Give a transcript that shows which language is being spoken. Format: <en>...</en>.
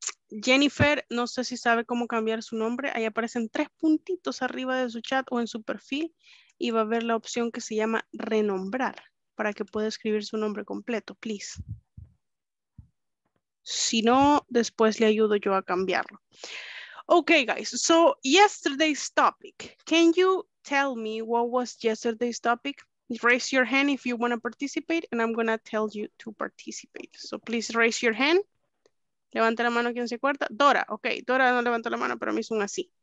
<es>Jennifer, no sé si sabe cómo cambiar su nombre. Ahí aparecen tres puntitos arriba de su chat o en su perfil. Y va a haber la opción que se llama renombrar para que pueda escribir su nombre completo, please. Si no, después le ayudo yo a cambiarlo.</es> <en>Okay, guys. So, yesterday's topic. Can you tell me what was yesterday's topic? Raise your hand if you want to participate, and I'm going to tell you to participate. So, please raise your hand.</en> <es>Levanta la mano quien se acuerda.</es> <en>Dora.</en> <es>Okay, Dora no levantó la mano, pero me hizo un así.</es>